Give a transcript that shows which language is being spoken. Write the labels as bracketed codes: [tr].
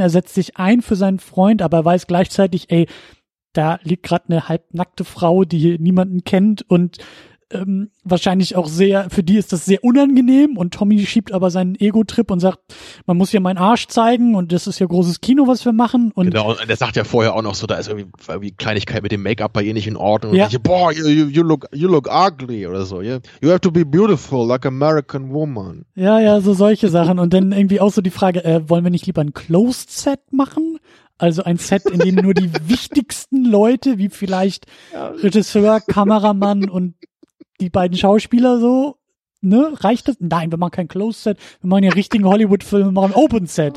[de] Er setzt sich ein für seinen Freund, aber weiß gleichzeitig, ey, da liegt gerade eine halbnackte Frau, die hier niemanden kennt und wahrscheinlich auch sehr, für die ist das sehr unangenehm und Tommy schiebt aber seinen Ego-Trip und sagt, man muss hier meinen Arsch zeigen und das ist ja großes Kino, was wir machen. Und genau, und er sagt ja vorher auch noch so, da ist irgendwie Kleinigkeit mit dem Make-up bei ihr nicht in Ordnung. Ja. Und dann, boah, [en] you look ugly [de] oder so. [en] Yeah? You have to be beautiful like American woman. [de] Ja, so solche Sachen. Und dann irgendwie auch so die Frage, wollen wir nicht lieber ein Closed Set machen? Also ein Set, in dem nur die wichtigsten Leute, wie vielleicht Regisseur, Kameramann und die beiden Schauspieler so, ne, reicht das? Nein, wir machen kein Closed Set, wir machen ja richtigen Hollywood-Film, wir machen Open Set.